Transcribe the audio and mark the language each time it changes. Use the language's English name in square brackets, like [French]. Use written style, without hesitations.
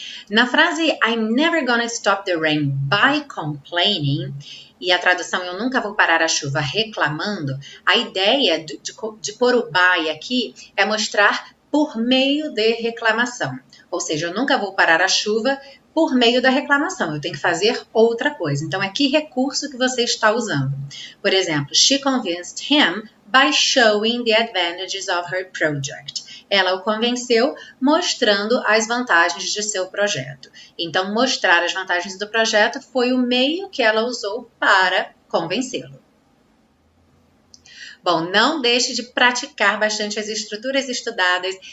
[Portuguese] Na frase [English] I'm never gonna stop the rain by complaining, [Portuguese] e a tradução eu nunca vou parar a chuva reclamando, a ideia de pôr o by aqui é mostrar por meio de reclamação. Ou seja, eu nunca vou parar a chuva por meio da reclamação, eu tenho que fazer outra coisa. Então, é que recurso que você está usando? Por exemplo, [English] she convinced him by showing the advantages of her project. [Portuguese] Ela o convenceu mostrando as vantagens de seu projeto. Então, mostrar as vantagens do projeto foi o meio que ela usou para convencê-lo. Bom, não deixe de praticar bastante as estruturas estudadas.